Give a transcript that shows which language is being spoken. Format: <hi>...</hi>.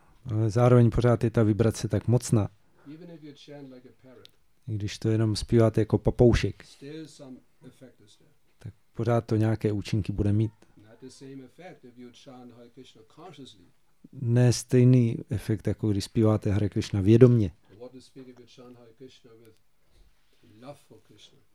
<cs>Ale zároveň pořád je ta vibrace tak mocná.</cs> <en>Even if you chant like a parrot,</en> <cs>i když to jenom zpíváte jako papoušek,</cs> <en>still some effect is there.</en> <cs>Tak pořád to nějaké účinky bude mít.</cs> <en>The same effect if you chant Hare Krishna consciously.</en> <cs>Ne stejný efekt jako když zpíváte Hare Krishna vědomě.</cs> <en>What to speak if you chant Hare Krishna with love for Krishna.</en>